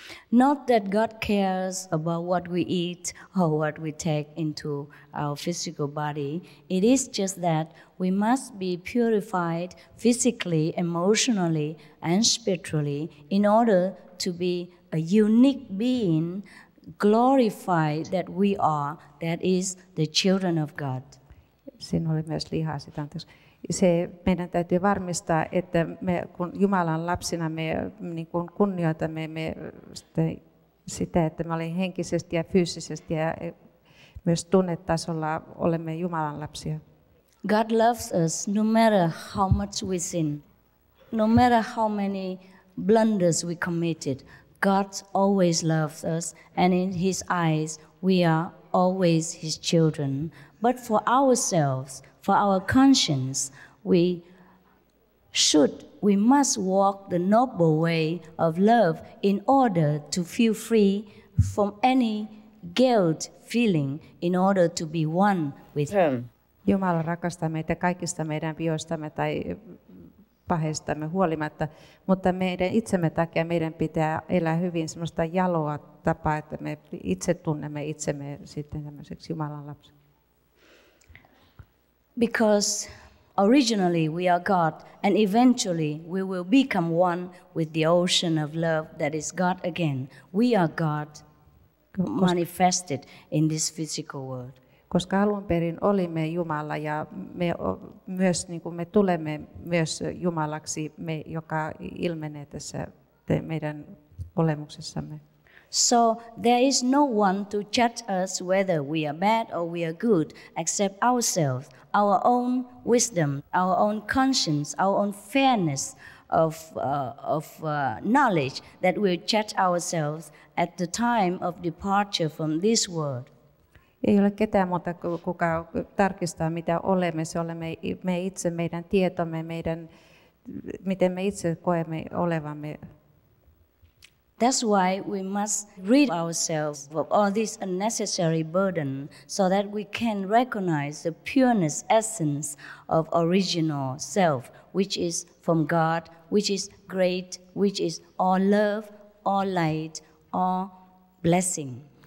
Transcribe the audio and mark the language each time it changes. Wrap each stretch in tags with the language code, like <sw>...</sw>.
<en>Not that God cares about what we eat or what we take into our physical body. It is just that we must be purified physically, emotionally, and spiritually in order to be a unique being, glorified that we are, that is the children of God.</en> <fi>Siinä oli myös lihasi, anteeksi. Se meidän täytyy varmistaa, että me kun Jumalan lapsina me niin kuin kunnioitamme sitä, että me olemme henkisesti ja fyysisesti ja myös tunnetasolla olemme Jumalan lapsia.</fi> <en>God loves us no matter how much we sin, no matter how many blunders we committed. God always loves us and in His eyes we are always His children. But for ourselves, for our conscience, we should, we must walk the noble way of love in order to feel free from any guilt feeling, in order to be one with Him.</en> <fi>Jumala rakastaa meitä kaikista meidän vioistamme tai paheistamme huolimatta, mutta meidän itsemme takia meidän pitää elää hyvin semmoista jaloa tapaa, että me itse tunnemme itsemme sitten tämmöiseksi Jumalan lapseksi.</fi> <en>Because originally we are God, and eventually we will become one with the ocean of love that is God again. We are God manifested in this physical world.</en> <fi>Koska alun perin olimme Jumala ja me myös niin kuin me tulemme myös Jumalaksi, me joka ilmenee tässä meidän olemuksessamme.</fi> <en>So there is no one to judge us whether we are bad or we are good except ourselves, our own wisdom, our own conscience, our own fairness of knowledge that will judge ourselves at the time of departure from this world.</en> <fi>Ei ole ketään muuta, kuka tarkistaa, mitä olemme. Se olemme me itse, meidän tietomme, meidän, miten me itse koemme olevamme.</fi> <en>That's why we must rid ourselves of all this unnecessary burden so that we can recognize the pureness essence of original self, which is from God, which is great, which is all love, all light, all blessing.</en>